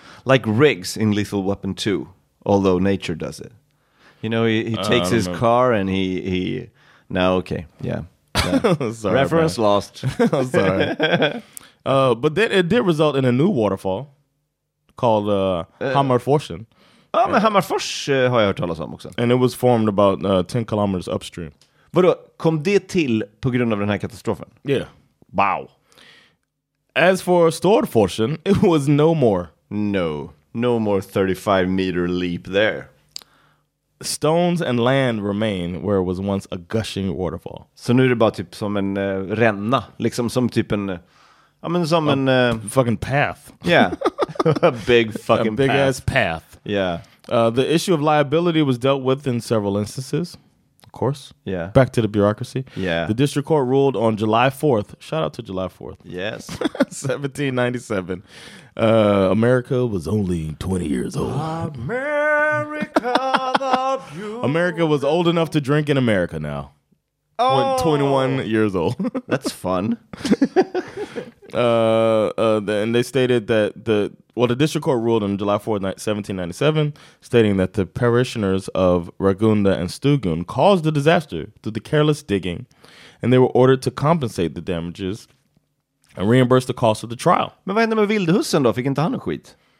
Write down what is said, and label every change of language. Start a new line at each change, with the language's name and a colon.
English: Like Riggs in Lethal Weapon 2, although nature does it. You know, he takes his car and he... No, okay, yeah. Sorry, reference lost. I'm sorry. But then it did result in a new waterfall called Hammerforsen.
Swedish: Ja, men Hammerforsen har jag hört talas om också.
English: And it was formed about 10 kilometers upstream.
Swedish: Vadå, kom det till på grund av den här katastrofen?
English: Yeah. Wow. As for Storforsen, it was no more. No more 35-meter leap there. Stones and land remain where it was once a gushing waterfall.
Swedish: Så nu är det bara typ som en ränna. Liksom som typ en... Ja, men som en...
English: Fucking path. Yeah. A big ass path. Yeah. The issue of liability was dealt with in several instances. Of course. Yeah. Back to the bureaucracy. Yeah. The district court ruled on July 4th. Shout out to July 4th. Yes. 1797. America was only 20 years old. America, the beautiful. America was old enough to drink in America now. Oh. 21 years old. That's fun. And they stated that the district court ruled on July 4th, 1797, stating that the parishioners of Ragunda and Stugun caused the disaster through the careless digging, and they were ordered to compensate the damages and reimburse the cost of the trial.
Swedish: Men vad hände med Vildhussen då? Fick inte han skit?